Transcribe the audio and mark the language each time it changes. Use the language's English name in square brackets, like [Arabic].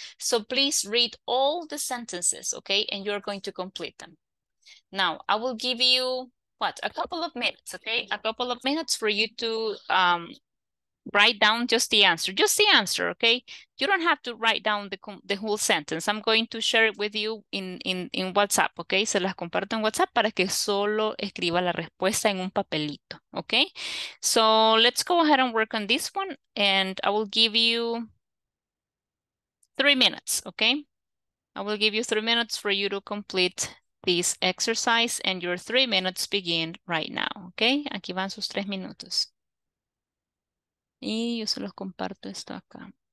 [English] So please read all the sentences, okay? And you're going to complete them. Now, I will give you... What? A couple of minutes, okay? A couple of minutes for you to write down just the answer. Just the answer, okay? You don't have to write down the whole sentence. I'm going to share it with you in WhatsApp, okay? [Spanish] Se las comparto en WhatsApp para que solo escriba la respuesta en un papelito, okay? [English] So let's go ahead and work on this one, and I will give you 3 minutes, okay? I will give you 3 minutes for you to complete this exercise, and your 3 minutes begin right now, okay? [Spanish] Aquí van sus 3 minutos. Y yo se los comparto esto acá.